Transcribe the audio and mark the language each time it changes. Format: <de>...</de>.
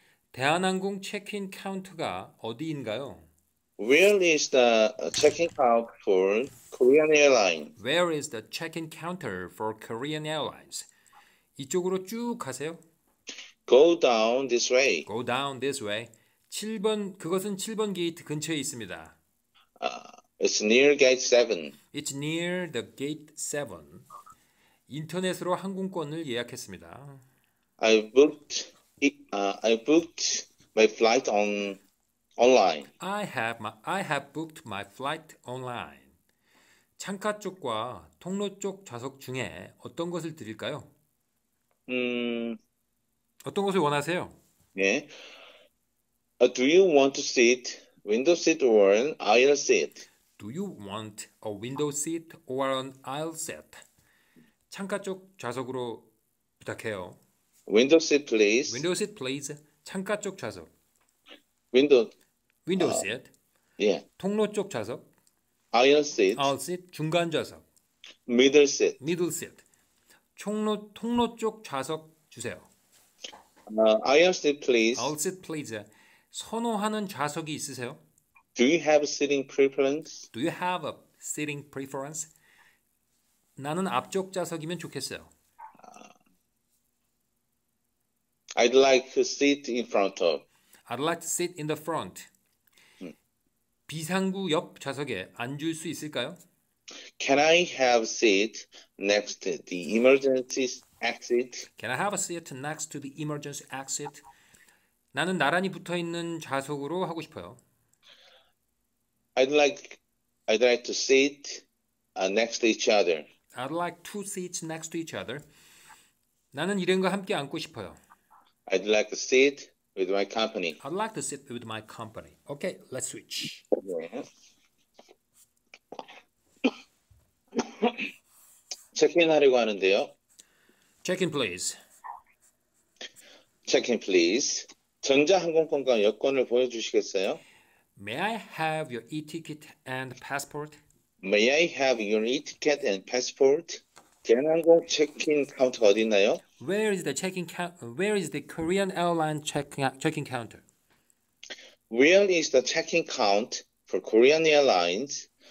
<ko>대한항공 체크인 카운터가 어디인가요?</ko> <en>Where is the check-in counter for Korean Airlines?</en> <ko>이쪽으로 쭉 가세요.</ko> <en>Go down this way.</en> <ko>7번 그것은 7번 게이트 근처에 있습니다.</ko> <en>It's near gate 7. It's near the gate 7.</en> <ko>인터넷으로 항공권을 예약했습니다.</ko> <en>I booked my flight online. I have booked my flight online.</en> <ko>창가 쪽과 통로 쪽 좌석 중에 어떤 것을 드릴까요? 어떤 곳을 원하세요?</ko> <en>네. Do you want a seat, window seat or an aisle seat? Do you want a window seat or an aisle seat?</en> <ko>창가 쪽 좌석으로 부탁해요.</ko> <en>Window seat, please. Window seat, please.</en> <ko>창가 쪽 좌석.</ko> <en>Window seat.</en> <ko>예. 통로 쪽 좌석.</ko> <en>Aisle seat. Aisle seat.</en> <ko>중간 좌석.</ko> <en>Middle seat. Middle seat.</en> <ko>통로 쪽 좌석 주세요.</ko> <en>Aisle seat, please. Aisle seat, please.</en> <ko>선호하는 좌석이 있으세요?</ko> <en>Do you have a seating preference? Do you have a seating preference?</en> <ko>나는 앞쪽 좌석이면 좋겠어요.</ko> <en>I'd like to sit in front of. I'd like to sit in the front.</en> <ko>비상구 옆 좌석에 앉을 수 있을까요?</ko> <en>Can I have a seat next to the emergency exit? Can I have a seat next to the emergency exit?</en> <ko>나는 나란히 붙어 있는 좌석으로 하고 싶어요.</ko> <en>I'd like to sit next to each other. I'd like two seats next to each other.</en> <ko>나는 일행과 함께 앉고 싶어요.</ko> <en>I'd like to sit with my company. I'd like to sit with my company. Okay, let's switch.</en> <ko>Check-in 하려고 하는데요.</ko> <en>Check-in, please. Check-in, please.</en> <ko>전자항공권과 여권을 보여주시겠어요?</ko> <en>May I have your e-ticket and passport? May I have your e-ticket and passport?</en> <ko>대한항공 check-in 카운터 어디 있나요?</ko> <en>Where is the check-in Where is the Korean airline check-in counter? Where is the check-in count for Korean airlines?</en>